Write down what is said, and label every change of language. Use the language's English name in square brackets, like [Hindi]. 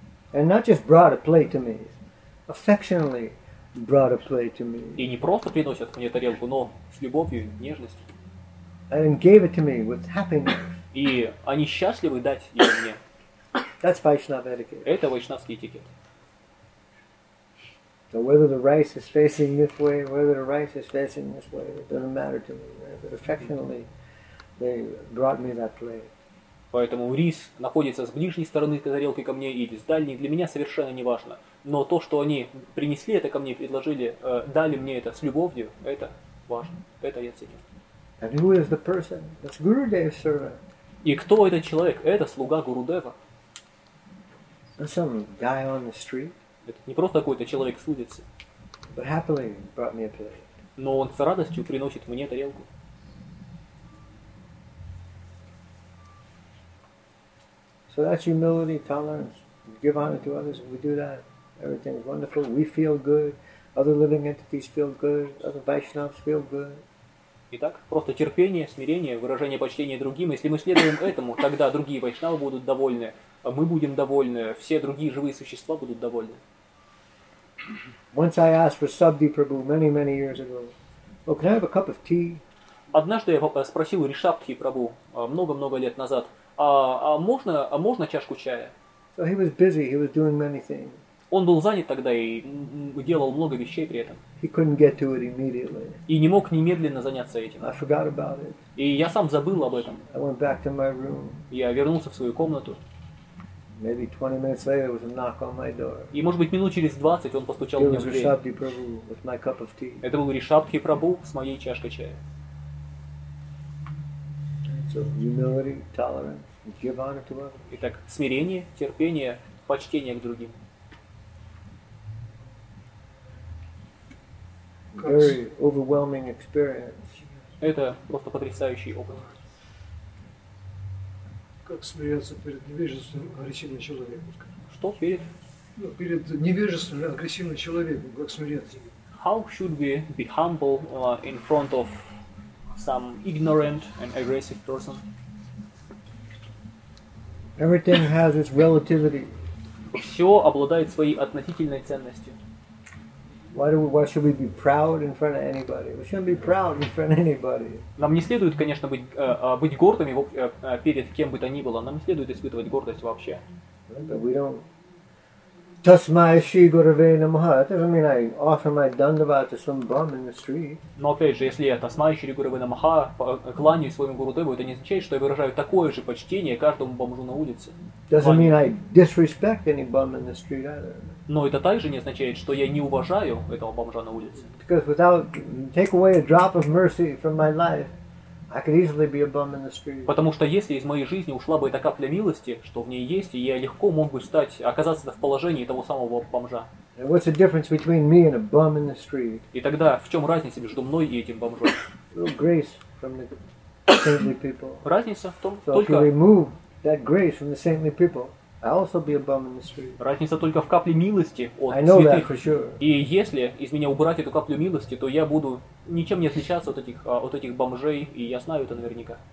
[English] And not just brought a plate to me, affectionately brought a plate to me. [Russian] И не просто приносят мне тарелку, но с любовью, нежностью. [English] And gave it to me with happiness. [Russian] И они счастливы дать ее мне. [English] That's Vaishnav etiquette. [Russian] Это вайшнавский этикет. [English] So whether the rice is facing this way, whether the rice is facing this way, it doesn't matter to me. But affectionately, they brought me that plate. [Russian] Поэтому рис находится с ближней стороны тарелки ко мне или с дальней, для меня совершенно не важно. Но то, что они принесли это ко мне, предложили, дали мне это с любовью, это важно. Это я ценю. [English] And who is the person? That's Gurudev's servant. [Russian] И кто этот человек? Это слуга Гурудева. [English] That's some guy on the street. [Russian] Это не просто какой-то человек с улицы. [English] But happily brought me a plate. [Russian] Но он с радостью приносит мне тарелку. [English] So that's humility, tolerance. Give honor to others. We do that. Everything is wonderful. We feel good. Other living entities feel good. Other Vaishnavas feel good. [Russian] Итак, просто терпение, смирение, выражение почтения другим. Если мы следуем этому, тогда другие вайшнавы будут довольны, а мы будем довольны, все другие живые существа будут довольны. [English] Once I asked for Subdhi Prabhu many years ago. Oh, can I have a cup of tea? [Russian] Однажды я спросил Ришабдхи Прабху много лет назад, а можно чашку чая? [English] So he was busy, he was doing many things. [Russian] Он был занят тогда и делал много вещей при этом. [English] He couldn't get to it immediately. [Russian] И не мог немедленно заняться этим. [English] I forgot about it. [Russian] И я сам забыл об этом. [English] I went back to my room. [Russian] Я вернулся в свою комнату. [English] Maybe 20 minutes later, there was a knock on my door. [Russian] И, может быть, минут через 20 он постучал мне в дверь. [English] It was Ришабдхи Прабху with my cup of tea. [Russian] Это был Ришабдхи Прабху с моей чашкой чая. [English] So humility, tolerance, give honor to others. [Russian] Итак, смирение, терпение, почтение к другим. [English] very overwhelming experience. [Russian] Это просто потрясающий опыт. Как смиряться перед невежеством агрессивного человека? Что перед? Ну, перед невежеством агрессивного человека. Как смиряться? [English] How should we be humble in front of some ignorant and aggressive person? Everything has its relativity. [Russian] Все обладает своей относительной ценностью. [English] Why should we be proud in front of anybody? We shouldn't be proud in front of anybody. [Russian] Нам не следует, конечно, быть гордыми перед кем бы то ни было. Нам не следует испытывать гордость вообще. [English] But we don't. [Sanskrit] Tasmai shi gurave namaha. [English] That doesn't mean I offer my dandava to some bum in the street. [Russian] Но опять же, если я [Sanskrit] tasmai shi gurave namaha, [Russian] кланяюсь своему гурудеву, это не означает, что я выражаю такое же почтение каждому бомжу на улице. [English] Doesn't mean I disrespect any bum in the street either. [Russian] Но это также не означает, что я не уважаю этого бомжа на улице. [English] Because without take away a drop of mercy from my life, I could easily be a bum in the street. [Russian] Потому что если из моей жизни ушла бы эта капля милости, что в ней есть, и я легко мог бы стать, оказаться в положении того самого бомжа. [English] And what's the difference between me and a bum in the street? [Russian] И тогда в чем разница между мной и этим бомжом? [English] Grace from the saintly people. [Russian] Разница в том, [English] so [Russian] только [English] if you remove that grace from the saintly people, I also be a bum in the street. [Russian] Разница только в капле милости от [English] I know [Russian] святых. [English] That for sure. [Russian] И если из меня убрать эту каплю милости, то я буду ничем не отличаться от этих бомжей, и я знаю это наверняка.